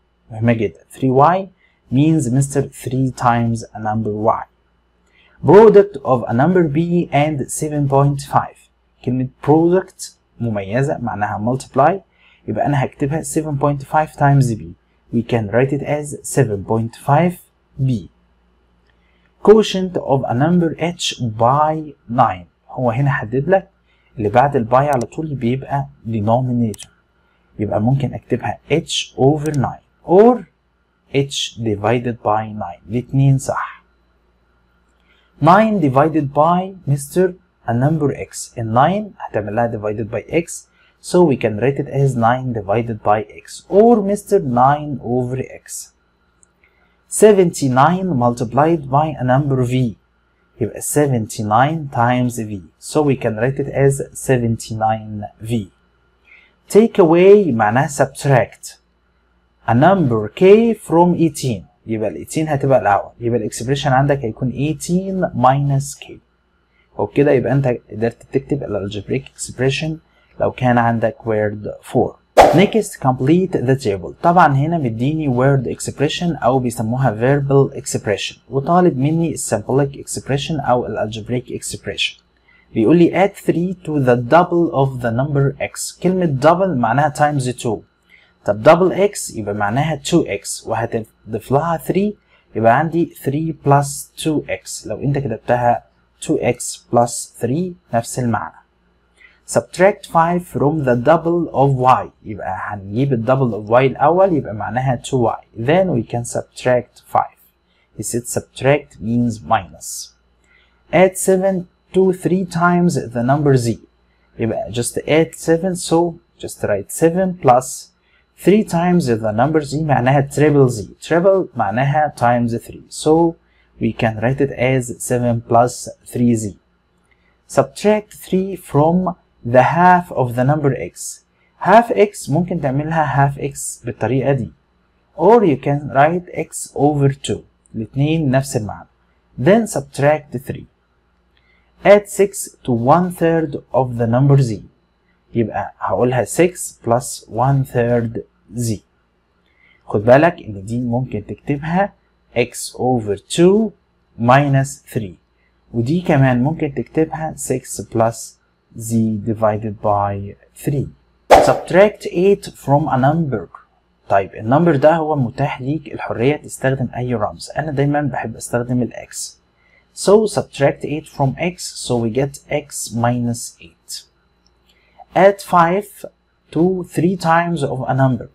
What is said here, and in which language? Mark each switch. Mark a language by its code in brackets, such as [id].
[en] 3y means Mr. 3 times a number y. Product of a number b and 7.5. [ar] كلمة product مميزة معناها multiply, يبقى أنا هكتبها 7.5 times b. [en] We can write it as 7.5b. Quotient of a number h by 9. [ar] هو هنا حدد لك اللي بعد الباي على طول بيبقى denominator, يبقى ممكن أكتبها [en] h over 9 or h divided by 9. [ar] الاثنين صح. [en] 9 divided by Mr. a number x. In 9 هتعملها divided by x. So we can write it as 9 divided by x or Mr. 9 over x. 79 multiplied by a number v. يبقى 79 times v. So we can write it as 79v. Take away معناها subtract a number k from 18. [ar] يبقى ال 18 هتبقى الأول. يبقى ال expression عندك هيكون 18 minus k. وبكده يبقى انت قدرت تكتب الالجبريك اكسبريشن لو كان عندك word 4. [en] Next, complete the table. [ar] طبعا هنا بديني word expression او بيسموها verbal expression وطالب مني symbolic expression او algebraic expression. بيقول لي [en] add 3 to the double of the number x. [ar] كلمة double معناها times 2. طب double x يبقى معناها 2x وهتضيف لها 3 يبقى عندي 3 plus 2x. لو انت كتبتها 2x plus 3 نفس المعنى. [en] Subtract 5 from the double of y. [ar] يبقى هنجيب ال double of y الأول يبقى معناها 2y. [en] Then we can subtract 5. He said subtract means minus. Add 7 to 3 times the number z. يبقى just add 7. So just write 7 plus 3 times the number z معناها triple z. Triple معناها times 3. So we can write it as 7 plus 3z. Subtract 3 from the half of the number x. [ar] Half x ممكن تعملها half x بالطريقة دي. [en] Or you can write x over 2. [ar] الاثنين نفس المعنى. [en] Then subtract 3. Add 6 to 1/3 of the number z. [ar] يبقى هقولها 6 plus 1/3 z. خد بالك ان دي ممكن تكتبها x over 2 minus 3. ودي كمان ممكن تكتبها 6 plus z divided by 3. [en] Subtract 8 from a number. [ar] طيب النمبر ده هو متاح ليك الحرية تستخدم اي رمز. انا دايما بحب استخدم ال x. [en] So subtract 8 from x. So we get x minus 8. Add 5 to 3 times of a number.